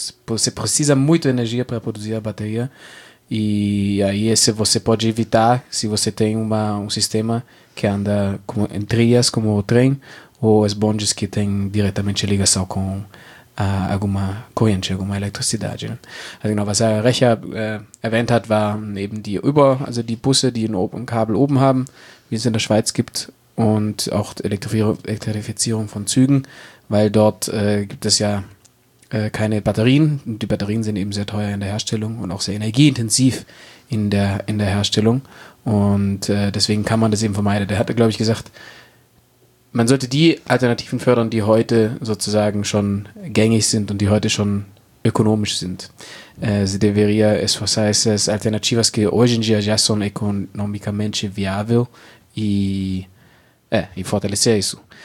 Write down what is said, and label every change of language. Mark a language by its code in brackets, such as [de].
[pt] Você precisa muito de energia para produzir a bateria. E aí você pode evitar se você tem um sistema que anda em trilhas, como o trem, ou os bondes que têm diretamente ligação com alguma corrente, alguma eletricidade. [de] Also, was Herr Recher erwähnt hat, waren eben die Busse, die ein Kabel oben haben, wie es in der Schweiz gibt, und auch Elektrifizierung von Zügen, weil dort gibt es ja keine Batterien. Die Batterien sind eben sehr teuer in der Herstellung und auch sehr energieintensiv in der Herstellung. Und deswegen kann man das eben vermeiden. Der hatte, glaube ich, gesagt, man sollte die Alternativen fördern, die heute sozusagen schon gängig sind und die heute schon ökonomisch sind. [pt] Se deveria esforçar essas alternativas que hoje em dia já são economicamente viável e fortalecer isso.